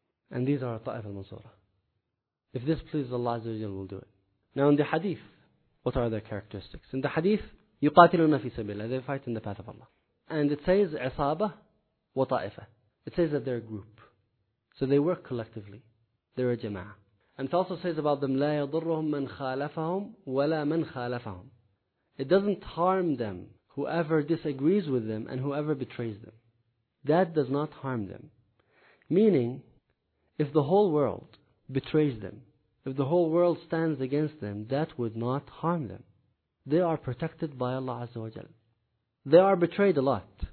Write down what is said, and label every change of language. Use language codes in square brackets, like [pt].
[en] And these are Ta'if al-Mansura. If this pleases Allah Azza wa Jalla, we'll do it. Now in the hadith, what are their characteristics? In the hadith, [ar] يُقَاتِلُونَ فِي سَبِيلَ, [en] they fight in the path of Allah. And it says [ar] عِصَابَة وَطَائِفَة. [en] It says that they're a group. So they work collectively. They're a jama'ah. [ar] And it also says about them, لَا يَضُرُّهُمْ مَنْ خَالَفَهُمْ وَلَا مَنْ خَالَفَهُمْ. [en] It doesn't harm them whoever disagrees with them and whoever betrays them. That does not harm them. Meaning, if the whole world betrays them, if the whole world stands against them, that would not harm them. They are protected by Allah Azza wa Jalla. They are betrayed a lot.